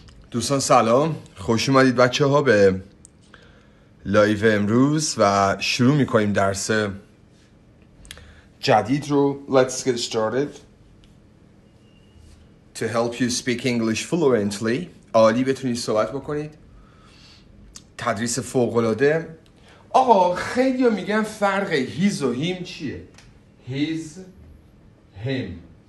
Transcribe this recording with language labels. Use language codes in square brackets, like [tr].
[fa] دوستان سلام، خوش اومدید بچه ها به لایو امروز و شروع میکنیم درس جدید رو. [en] Let's get started to help you speak English fluently. [fa] عالی بتونید صحبت بکنید. تدریس فوق‌العاده. آقا خیلی ها میگن فرق هیز و هیم چیه؟ هیز هیم